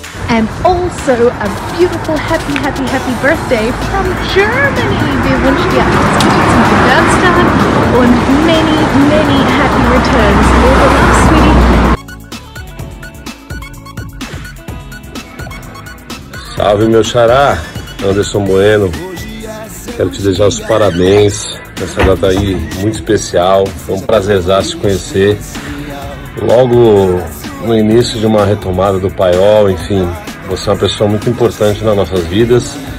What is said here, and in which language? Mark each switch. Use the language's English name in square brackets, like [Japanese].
[English] And also a beautiful happy, happy, happy birthday from Germany. [German] Wir wünschen dir alles Gute zum Geburtstag und [English] many, many happy returns. Sweetie. [Portuguese] Salve, meu xará, Anderson Bueno. Quero te desejar os parabéns nessa data aí muito especial. Foi um prazerzaço te conhecer. Logo no início de uma retomada do paiol, enfim, você é uma pessoa muito importante nas nossas vidas.